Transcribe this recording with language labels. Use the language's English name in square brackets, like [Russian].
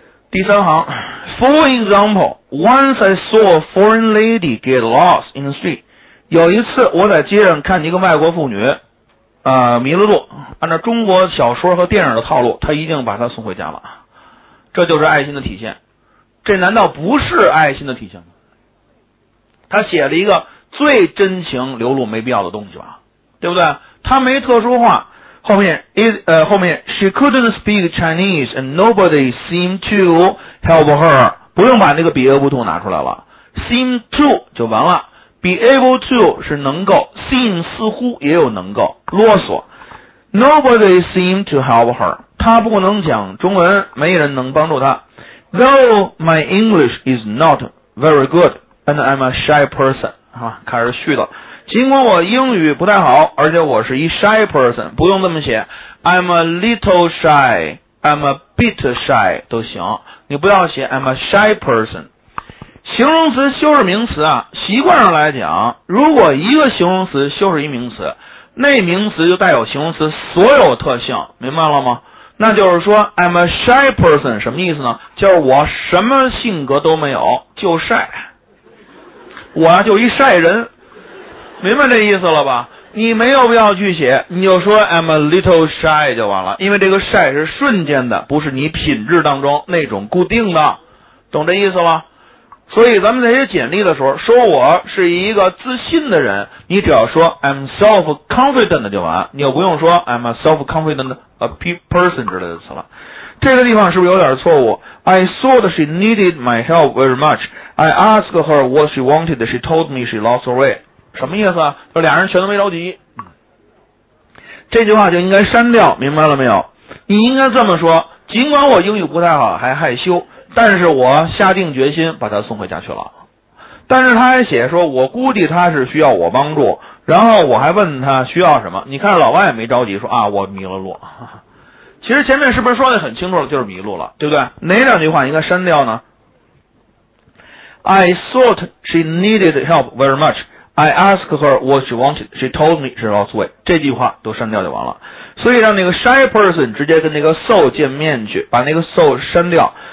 [Chinese] 第三行 [English] for example， once I saw a foreign lady get lost in the street， [Chinese] 有一次我在街上看见一个外国妇女迷了路，按照中国小说和电影的套路，她一定把她送回家了，这就是爱心的体现。这难道不是爱心的体现吗？他写了一个最真情流露没必要的东西吧，对不对？他没特殊化，后面 [English] she couldn't speak Chinese and nobody seemed to help her， [Chinese] 不用把那个 [English] be able to [Chinese] 拿出来了， [English] seem to [Chinese] 就完了， be able to 是能够， seem 似乎也有能够，啰嗦， [English] nobody seemed to help her， [Chinese] 他不能讲中文，没人能帮助他。 [English] Though my English is not very good and I'm a shy person， [Chinese] 开始絮叨，尽管我英语不太好，而且我是一 [English] shy person， [Chinese] 不用这么写， [English] I'm a little shy， I'm a bit shy [Chinese] 都行，你不要写 [English] I'm a shy person。 [Chinese] 形容词修饰名词啊，习惯上来讲，如果一个形容词修饰一名词，那名词就带有形容词所有特性，明白了吗？那就是说 [English] I'm a shy person [Chinese] 什么意思呢？就是我什么性格都没有，就晒，我就一晒人，明白这意思了吧？你没有必要去写，你就说 [English] I'm a little shy [Chinese] 就完了，因为这个晒是瞬间的，不是你品质当中那种固定的，懂这意思吗？所以咱们在写简历的时候，说我是一个自信的人，你只要说 [English] I'm self confident [Chinese] 就完，你又不用说 [English] I'm a self confident person [Chinese] 之类的词了。这个地方是不是有点错误？ [English] I thought she needed my help very much. I asked her what she wanted. She told me she lost her way. [Chinese] 什么意思啊？就俩人全都没着急。这句话就应该删掉，明白了没有？你应该这么说，尽管我英语不太好还害羞，但是我下定决心把他送回家去了。但是他还写说，我估计他是需要我帮助，然后我还问他需要什么。你看老外也没着急说啊，我迷了路。其实前面是不是说得很清楚了，就是迷路了，对不对？哪两句话应该删掉呢？ [English] I thought she needed help very much. I asked her what she wanted. She told me she lost weight. [Chinese] 这句话都删掉就完了。所以让那个 shy person 直接跟那个 so 见面去，把那个 so 删掉。